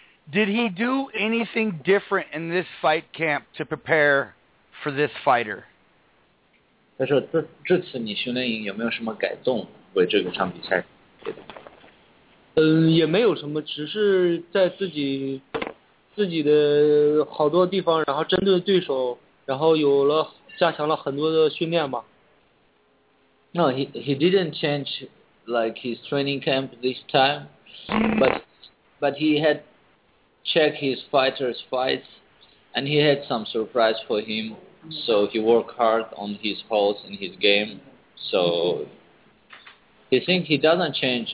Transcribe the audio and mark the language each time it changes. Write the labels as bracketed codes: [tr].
[en] Did he do anything different in this fight camp to prepare for this fighter? [zh] 他说这次你训练营有没有什么改动为这个场比赛？也没有什么，只是在自己的好多地方，然后针对对手，然后有了加强了很多的训练吧。 [en] No, he didn't change like his training camp this time, but he had check his fighters' fights, and he had some surprise for him. So he worked hard on his holds in his game. So he think he doesn't change.